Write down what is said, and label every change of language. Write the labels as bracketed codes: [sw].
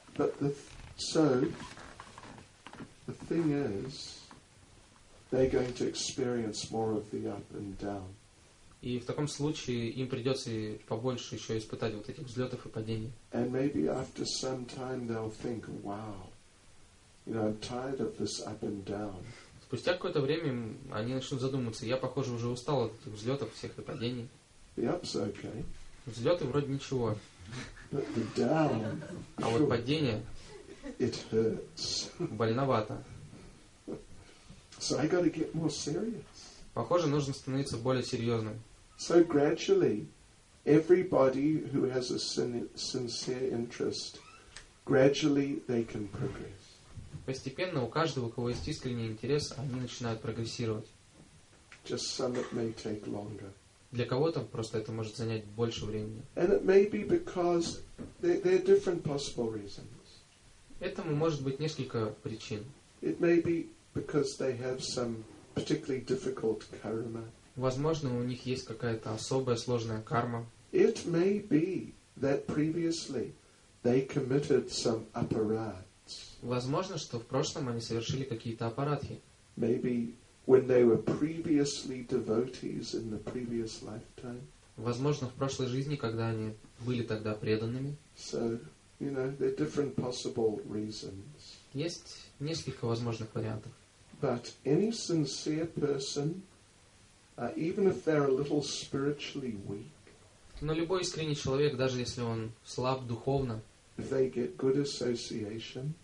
[en] But the thing is, they're going to experience more of the up and down. [ru] И в таком случае им придется побольше еще испытать вот этих взлетов и падений. [en] And maybe after some time they'll think, wow, you know, I'm tired of this up and down. [ru] Спустя какое-то время они начнут задумываться, я, похоже, уже устал от этих взлетов всех и падений. [en] The up's okay. [ru] Взлеты вроде ничего. [en] But the down, [ru] а вот падение [en] it hurts. [ru] Больновато. [en] So I gotta get more serious. [ru] Похоже, нужно становиться более серьезным. [en] So gradually, everybody who has a sincere interest, gradually they can progress. [ru] Постепенно у каждого, у кого есть искренний интерес, они начинают прогрессировать. [en] Just some it may take longer. [ru] Для кого-то просто это может занять больше времени. [en] And it may be because there are different possible reasons. [ru] Этому может быть несколько причин. [en] It may be because they have some particularly difficult karma. [ru] Возможно, у них есть какая-то особая сложная карма. [en] It may be that previously they committed some aparads. [ru] Возможно, что в прошлом они совершили какие-то аппаратхи. [en] Maybe when they were previously devotees in the previous lifetime. [ru] Возможно, в прошлой жизни, когда они были тогда преданными. [en] So, you know, there are different possible reasons. [ru] Есть несколько возможных вариантов. [en] But any sincere person, even if they're a little spiritually weak. [ru] Но любой искренний человек, даже если он слаб духовно. [en] If they get good association.